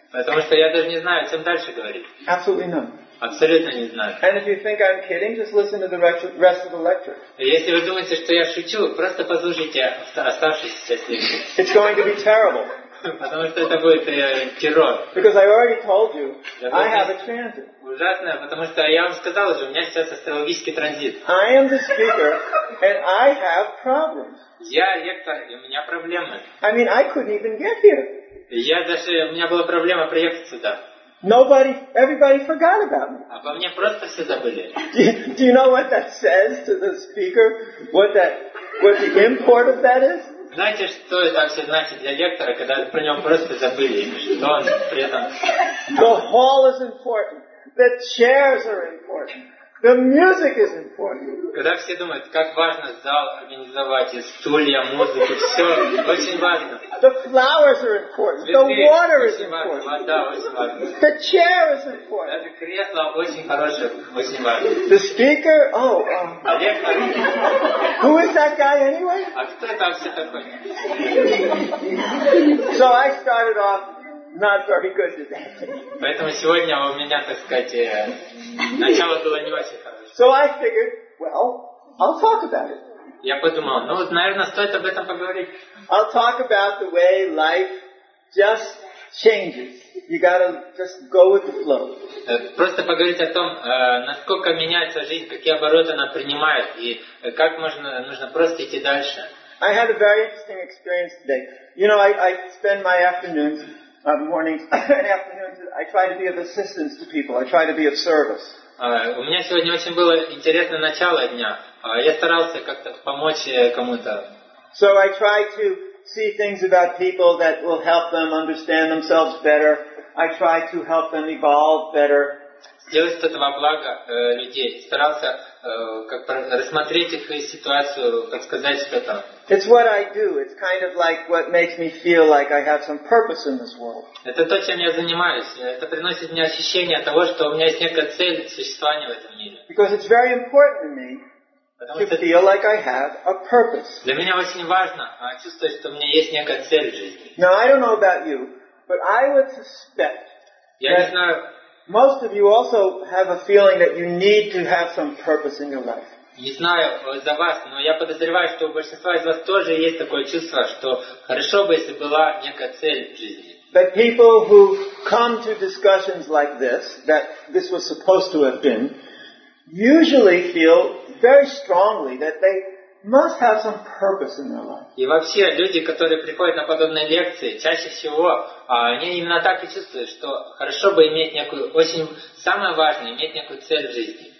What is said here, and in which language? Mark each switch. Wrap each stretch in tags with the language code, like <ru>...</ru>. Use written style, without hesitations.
<ru>Потому что я даже не знаю, о чем дальше говорить.</ru> <en>Absolutely none.</en> <ru>Абсолютно не знаю.</ru> <en>And if you think I'm kidding, just listen to the rest of the lecture.</en> <ru>Если вы думаете, что я шучу, просто послушайте оставшуюся часть лекции.</ru> <en>It's going to be terrible.</en> <ru>Потому что это будет террор.</ru> <en>Because I already told you, I have a transit.</en> <ru>Ужасно, потому что я вам сказал уже, у меня сейчас астрологический транзит.</ru> <en>I am the speaker, and I have problems.</en> <ru>Я лектор, и у меня проблемы.</ru> <en>I mean, I couldn't even get here.</en> <ru>Я даже, у меня была проблема приехать сюда.</ru> <en>Nobody, everybody forgot about me.</en> <ru>Обо мне просто все забыли.</ru> <en>Do you know what that says to the speaker? What the import of that is?</en> <ru>Знаете, что это вообще значит для лектора, когда про него просто забыли, что он при этом...</ru> <en>The hall is important. The chairs are important. The music is important.</en> <ru>Когда все думают, как важно зал организовать, и стулья, музыку, все очень важно.</ru> <en>The flowers are important. The water is important.</en> <ru>Вода очень важна.</ru> <en>The chair is important.</en> <ru>Даже кресло очень хорошее, очень важно.</ru> <en>The speaker? Oh,</en> <ru>А лектор?</ru> <en>Who is that guy anyway?</en> <ru>А кто это вообще такой?</ru> <en>So I started off not very good today.</en> <ru>Поэтому сегодня у меня, так сказать, начало было не очень хорошее.</ru> <en>So I figured, well, I'll talk about it.</en> <ru>Я подумал, ну вот, наверное, стоит об этом поговорить.</ru> <en>I'll talk about the way life just changes. You gotta just go with the flow.</en> <ru>Просто поговорить о том, насколько меняется жизнь, какие обороты она принимает, и как можно, нужно просто идти дальше.</ru> <en>I had a very interesting experience today. You know, I spend my afternoons, mornings, afternoons, I try to be of assistance to people. I try to be of service.</en> <ru>У меня сегодня очень было интересное начало дня. Я старался как-то помочь кому-то.</ru> <en>So I try to see things about people that will help them understand themselves better. I try to help them evolve better.</en> <ru>Сделать что-то во благо людей. Старался как рассмотреть их ситуацию, подсказать что-то.</ru> <en>It's what I do. It's kind of like what makes me feel like I have some purpose in this world.</en> <ru>Это то, чем я занимаюсь. Это приносит мне ощущение того, что у меня есть некая цель существования в этом мире.</ru> <en>Because it's very important to me to feel like I have a purpose.</en> <ru>Для меня очень важно чувствовать, что у меня есть некая цель в жизни.</ru> <en>Now, I don't know about you, but I would suspect that most of you also have a feeling that you need to have some purpose in your life.</en> <ru>Не знаю за вас, но я подозреваю, что у большинства из вас тоже есть такое чувство, что хорошо бы, если была некая цель в жизни.</ru> <en>That people who come to discussions like this, that this was supposed to have been, usually feel very strongly that they must have some purpose in their life.</en> <ru>И вообще люди, которые приходят на подобные лекции, чаще всего они именно так и чувствуют, что хорошо бы иметь некую, очень самое важное, иметь некую цель в жизни.</ru>